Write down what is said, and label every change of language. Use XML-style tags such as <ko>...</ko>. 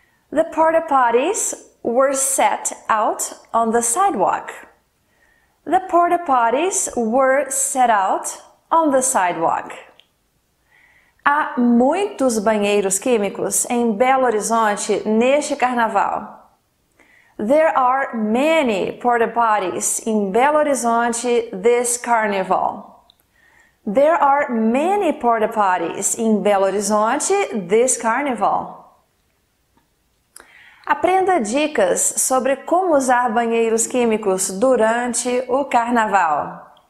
<en>The porta potties were set out on the sidewalk. The porta potties were set out on the sidewalk.</en> <pt>Há muitos banheiros químicos em Belo Horizonte neste carnaval.</pt> <en>There are many porta potties in Belo Horizonte this carnival. There are many porta potties in Belo Horizonte this carnival.</en> <pt>Aprenda dicas sobre como usar banheiros químicos durante o carnaval.</pt>